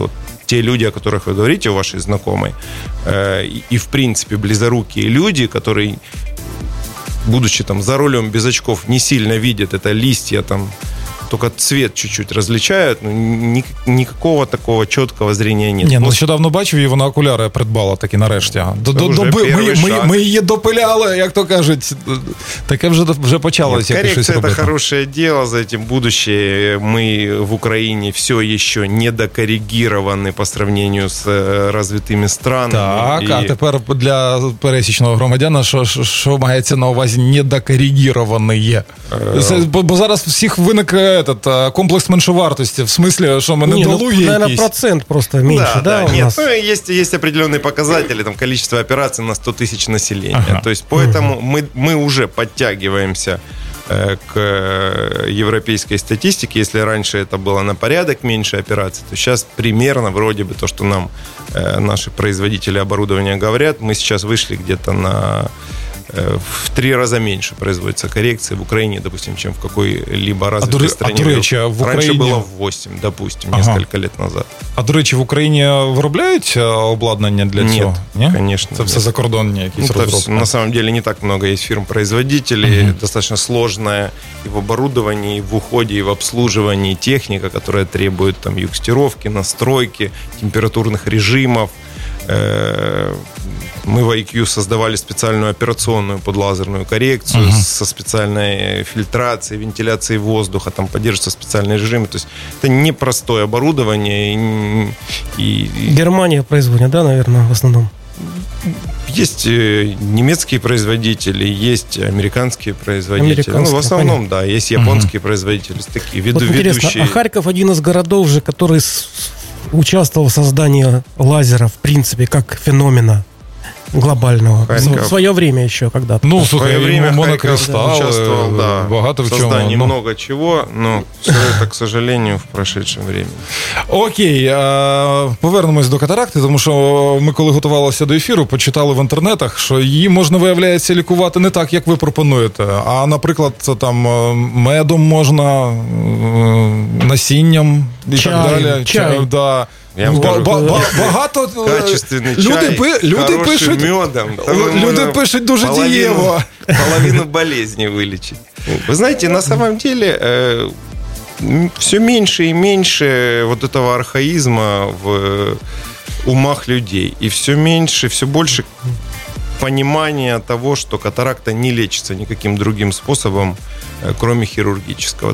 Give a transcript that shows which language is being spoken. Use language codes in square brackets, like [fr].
[ru] Вот те люди, о которых вы говорите, у вашей знакомой, и в принципе близорукие люди, которые, будучи там за рулем без очков, не сильно видят это листья там, только цвет чуть-чуть различают, но никакого такого четкого зрения нет. [uk] Не, ну нещодавно бачив, вона окуляри придбала таки нарешті. Ми її допиляли, як то кажуть. Таке вже почалося. [ru] Коррекция – это хорошее дело, за этим будущее. Мы в Украине все еще недокоррегированы по сравнению с развитыми странами. [uk] Так, а тепер для пересічного громадяна, що мається на увазі недокоррегированные? Бо зараз всіх виник [ru] этот комплекс [uk] меншовартості, в смысле, що мене долуги якісь. [ru] Наверное, процент просто меньше, да, у нас? Ну, есть определенные показатели, там, количество операций на 100 тысяч населения. Ага. То есть, поэтому мы уже подтягиваемся к европейской статистике. Если раньше это было на порядок меньше операций, то сейчас примерно вроде бы то, что нам наши производители оборудования говорят, мы сейчас вышли где-то на... В три раза меньше производится коррекции в Украине, допустим, чем в какой-либо развитой стране. [uk] До речі, в Україні... [ru] Раньше было 8, допустим, несколько лет назад. [uk] А до речі, в Украине виробляють обладнання для цього? [ru] Нет, конечно. [uk] Це все закордонні якісь розробки. [ru] На самом деле не так много есть фирм-производителей. Угу. Достаточно сложная и в оборудовании, и в уходе, и в обслуживании техника, которая требует там юкстировки, настройки температурных режимов. Мы в IQ создавали специальную операционную под лазерную коррекцию со специальной фильтрацией, вентиляцией воздуха, там поддерживаются специальные режимы. То есть это непростое оборудование. Германия производит, да, наверное, в основном? Есть немецкие производители, есть американские производители. Американские, ну, в основном, да, есть японские производители. Такие ведущие. А Харьков один из городов же, который участвовал в создании лазера, в принципе, как феномена глобального. Харьков. В свое время еще когда-то. Ну, слушай, в свое время Монокристалл участвовал, да. Богато в создании чем, много чего, но все это, к сожалению, в прошедшем времени. [uk] Окей, повернемось до катаракти, тому що ми, коли готувалися до ефіру, почитали в інтернетах, що її можна, виявляється, лікувати не так, як ви пропонуєте. А, наприклад, це там медом можна, насінням і чай, так далі. Чай. Да. Багато люди, чай, люди пишуть медом, люди пишуть дуже дієво. Половину болезні вилічить. Ви знаєте, [ru] на самом деле все меньше и меньше вот этого архаизма в умах людей. И все меньше, все больше понимания того, что катаракта не лечится никаким другим способом, кроме хирургического.